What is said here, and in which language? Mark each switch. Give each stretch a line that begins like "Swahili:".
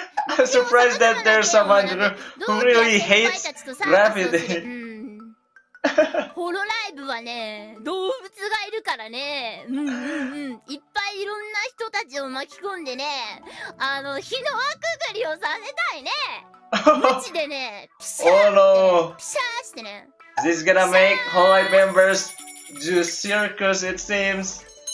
English: I'm surprised that there's someone who really hates gravity。
Japanese: ホロライブはね、動物がいるからね、いっぱいいろんな人たちを巻き込んでね、あの火の輪くぐりをさせたいね。無知でね、ピシャーって、
English: ね、oh, no.
Japanese: ピシャーしてね。
English: This is gonna make Holy members do circus, it seems.